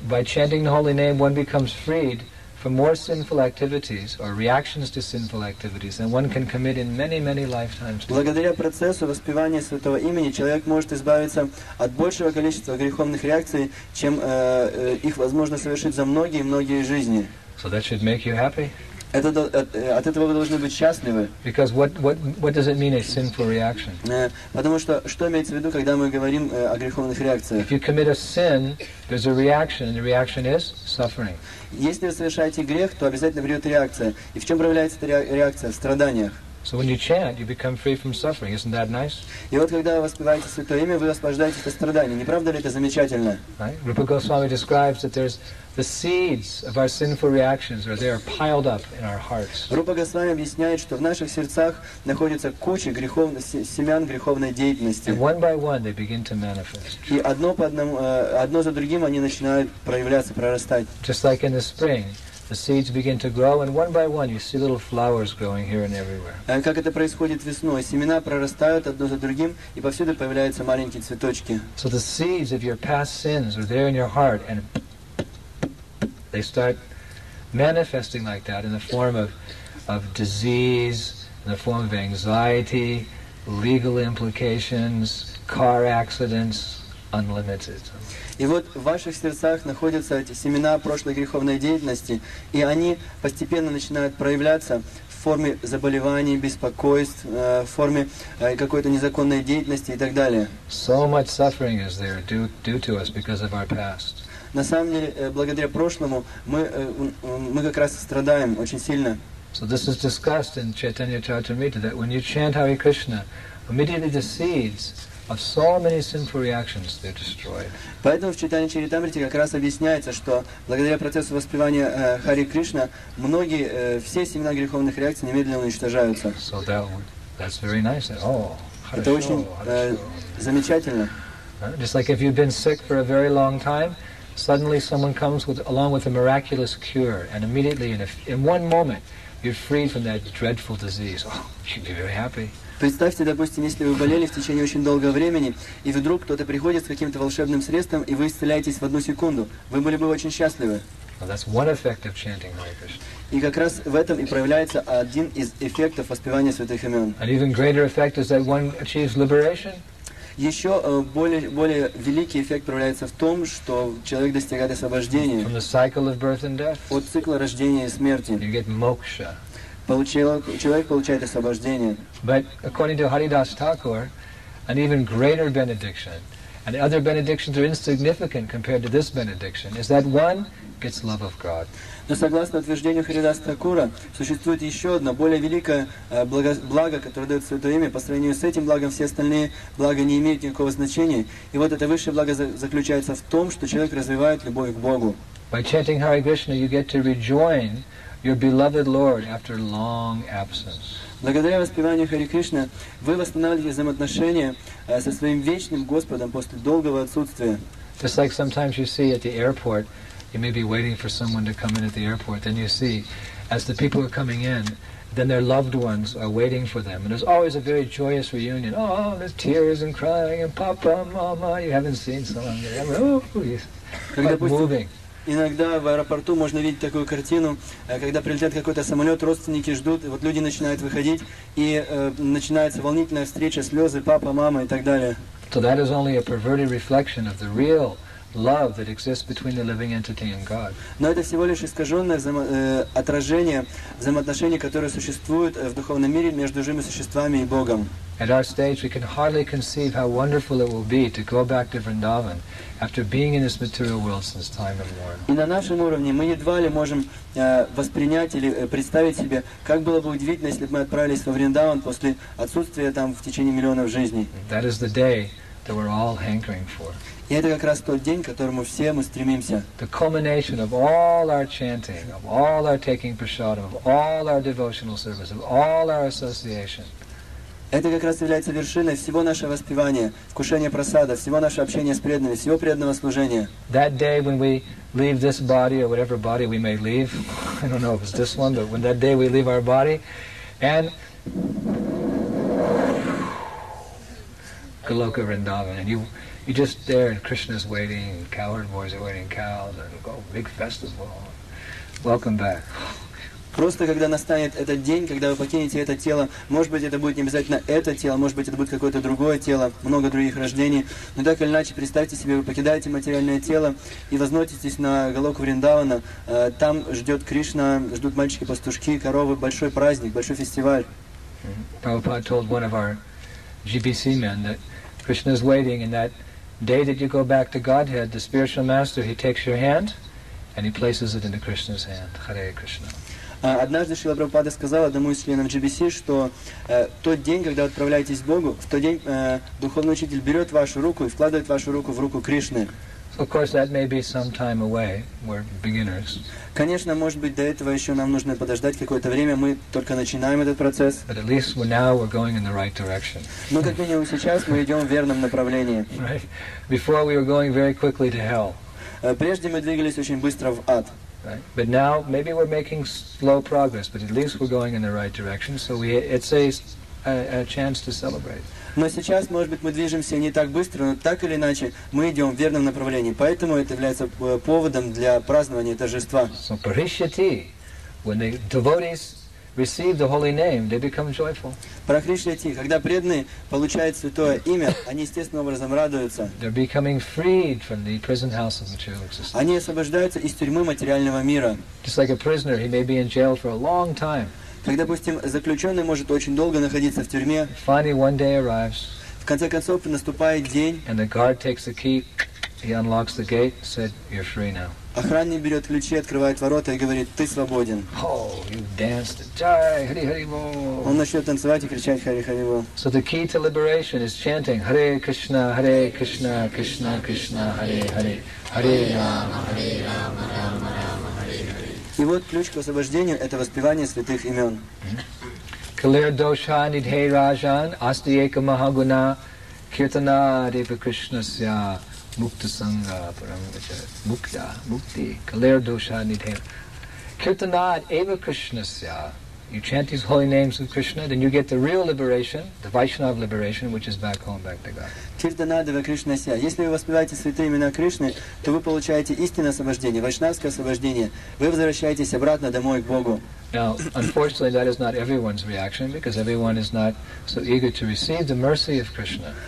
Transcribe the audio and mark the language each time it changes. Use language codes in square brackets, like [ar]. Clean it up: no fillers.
[en] By chanting the holy name, one becomes freed from more sinful activities or reactions to sinful activities than one can commit in many, many lifetimes. [ru] Благодаря процессу воспевания святого имени, человек может избавиться от большего количества греховных реакций, чем их возможно совершить за многие-многие жизни. [en] So that should make you happy. [ru] От этого вы должны быть счастливы. [en] Because what does it mean, a sinful reaction? [ru] Потому что имеется в виду, когда мы говорим о греховных реакциях? [en] If you commit a sin, there's a reaction, and the reaction is suffering. [ru] Если вы совершаете грех, то обязательно придет реакция. И в чем проявляется эта реакция? В страданиях. [en] So when you chant, you become free from suffering. Isn't that nice? [ru] И вот когда вы воспеваете святое имя, вы освобождаетесь от страданий. Не правда ли это замечательно? [en] Right? Rupa Goswami describes that there's the seeds of our sinful reactions are there piled up in our hearts. [ru] Rupa Goswami объясняет, что в наших сердцах находится куча семян греховной деятельности. [en] And one by one they begin to manifest. [ru] И одно за другим они начинают проявляться, прорастать. [en] Just like in the spring. The seeds begin to grow, and one by one, you see little flowers growing here and everywhere. [ru] Как это происходит весной? Семена прорастают одно за другим, и повсюду появляются маленькие цветочки. [en] So the seeds of your past sins are there in your heart, and they start manifesting like that in the form of disease, in the form of anxiety, legal implications, car accidents. unlimited. [ru] И вот в ваших сердцах находятся эти семена прошлой греховной деятельности, и они постепенно начинают проявляться в форме заболеваний, беспокойств, в форме какой-то незаконной деятельности и так далее. [en] So much suffering is there due to us because of our past. [ru] На самом деле, благодаря прошлому, мы как раз страдаем очень сильно. [en] So this is discussed in Chaitanya Charitamrita, that when you chant Hare Krishna, immediately the seeds of so many sinful reactions, they're destroyed. [ru] Поэтому в Чайтанья Чаритамрите как раз объясняется, что благодаря процессу воспевания Хари Кришна, многие, все семена греховных реакций немедленно уничтожаются. [en] So that's very nice. Oh, [ru] хорошо. Это очень замечательно. [en] Just like if you've been sick for a very long time, suddenly someone comes along with a miraculous cure, and immediately in one moment, you're freed from that dreadful disease. Oh, you'd be very happy. [ru] Представьте, допустим, если вы болели в течение очень долгого времени, и вдруг кто-то приходит с каким-то волшебным средством, и вы исцеляетесь в одну секунду, вы были бы очень счастливы. [en] Well, that's one effect of chanting Hare Krishna. [ru] И как раз в этом и проявляется один из эффектов воспевания святых имен. [en] An even greater effect is that one achieves liberation. [ru] Еще более великий эффект проявляется в том, что человек достигает освобождения. [en] From the cycle of birth and death. [ru] От цикла рождения и смерти. [en] You get moksha. [ru] Человек получает освобождение. [en] But according to Haridas Thakur, an even greater benediction, and other benedictions are insignificant compared to this benediction, is that one gets love of God. [ru] Но согласно утверждению Харидас Такура, существует еще одно более великое благо, которое дает Святое Имя. По сравнению с этим благом, все остальные блага не имеют никакого значения. И вот это высшее благо заключается в том, что человек развивает любовь к Богу. [en] By chanting Hare Krishna, you get to rejoin your beloved Lord after long absence. [ru] Благодаря воспеванию Хари Кришна, вы восстанавливаете взаимоотношения со своим вечным Господом после долгого отсутствия. [en] Just like sometimes you see at the airport, you may be waiting for someone to come in at the airport, then you see, as the people are coming in, then their loved ones are waiting for them. And there's always a very joyous reunion. Oh, there's tears and crying, and Papa, Mama, you haven't seen someone yet. Quite moving. [ru] Иногда в аэропорту можно видеть такую картину, когда прилетает какой-то самолет, родственники ждут, и вот люди начинают выходить, и начинается волнительная встреча, слезы, папа, мама и так далее. [en] So that is only a perverted reflection of the real love that exists between the living entity and God. [ru] Но это всего лишь искаженное отражение взаимоотношений, которые существуют в духовном мире между живыми существами и Богом. [en] At our stage, we can hardly conceive how wonderful it will be to go back to Vrindavan after being in this material world since time immemorial. [ru] И на нашем уровне мы едва ли можем воспринять или представить себе, как было бы удивительно, если бы мы отправились во Вриндаван после отсутствия там в течение миллионов жизней. [en] That is the day that we're all hankering for. [ru] И это как раз тот день, к которому все мы стремимся. [en] The culmination of all our chanting, of all our taking prasadam, of all our devotional service, of all our association. [ru] Это как раз является вершиной всего нашего воспевания, вкушения просада, всего нашего общения с преданными, всего преданного служения. [en] That day when we leave this body or whatever body we may leave, I don't know if it's this one, but when that day we leave our body and Goloka Vrindavan, and you just there and Krishna's waiting, and cowherd boys are waiting, cows, and go, big festival. Welcome back. [ru] Просто когда настанет этот день, когда вы покинете это тело, может быть, это будет не обязательно это тело, может быть, это будет какое-то другое тело, много других рождений, но так или иначе, представьте себе, вы покидаете материальное тело и возноситесь на Голоку Вриндавана, там ждет Кришна, ждут мальчики-пастушки, коровы, большой праздник, большой фестиваль. [en] Prabhupada told one of our GBC men that Krishna is waiting, and that day that you go back to Godhead, the spiritual master, he takes your hand and he places it into Krishna's hand. Hare Krishna. [ru] Однажды Шрила Прабхупада сказал одному из членов GBC, что тот день, когда вы отправляетесь к Богу, в тот день духовный учитель берет вашу руку и вкладывает вашу руку в руку Кришны. [en] Of course, that may be some time away. We're beginners. [ru] Конечно, может быть, до этого еще нам нужно подождать какое-то время. Мы только начинаем этот процесс. [en] But at least now we're going in the right direction. [ru] Но как минимум сейчас мы идем в верном направлении. [en] Right. Before we were going very quickly to hell. [ru] Прежде мы двигались очень быстро в ад. [en] Right. But now maybe we're making slow progress, but at least we're going in the right direction. So it's a chance to celebrate. [ru] Но сейчас, может быть, мы движемся не так быстро, но так или иначе мы идем в верном направлении. Поэтому это является поводом для празднования торжества. [en] So parishyati, when the devotees receive the holy name, they become joyful. [ru] Про Кришне те, когда преданные получают святое имя, они естественным образом радуются. [en] They're becoming freed from the prison house of material existence. [ru] Они освобождаются из тюрьмы материального мира. [en] Just like a prisoner, he may be in jail for a long time. [ru] Как, допустим, заключенный может очень долго находиться в тюрьме. [en] Finally, one day arrives. [ru] В конце концов, наступает день. [en] And the guard takes the key, he unlocks the gate, said, "You're free now." [ru] Охранник берет ключи, открывает ворота и говорит: «Ты свободен». Он начнет танцевать и кричать «Хари Хари Бол». [en] So the key to liberation is chanting «Hare Krishna, Hare Krishna, Krishna Krishna, Hare Hare, Hare Rama, Hare Rama, Rama Rama, Hare Hare». [ru] И вот ключ к освобождению – это воспевание святых имен. [sa] Kalir Dosha Nidhe Rajan Asti Eka Mahaguna Kirtana Deva Krishnasya Mukta Sangha Paramita Mukta Mukti Kalir Dosha Nidhe Kirtanad Eva Krishnasya. [en] You chant these holy names of Krishna, then you get the real liberation, the Vaishnava liberation, which is back home, back to God. [sa] Kirtanad Eva Krishnasya. [ru] Если вы воспеваете святые имена Кришны, то вы получаете истинное освобождение, вайшнавское освобождение. Вы возвращаетесь обратно домой к Богу. [en] Now, unfortunately, that is not everyone's reaction because everyone is not so eager to receive the mercy of Krishna.